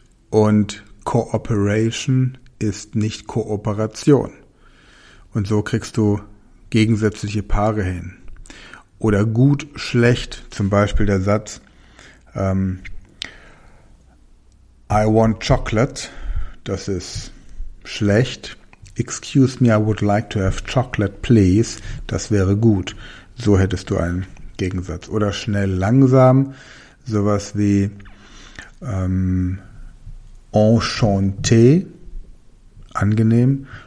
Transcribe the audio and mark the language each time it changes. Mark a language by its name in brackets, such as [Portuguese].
[German] Und Cooperation ist nicht Kooperation. Und so kriegst du gegensätzliche Paare hin. Oder gut, schlecht, zum Beispiel der Satz, [English] I want chocolate, [German] das ist schlecht. [English] Excuse me, I would like to have chocolate, please. [German] Das wäre gut. So hättest du einen Gegensatz. Oder schnell, langsam, sowas wie enchanté, angenehm.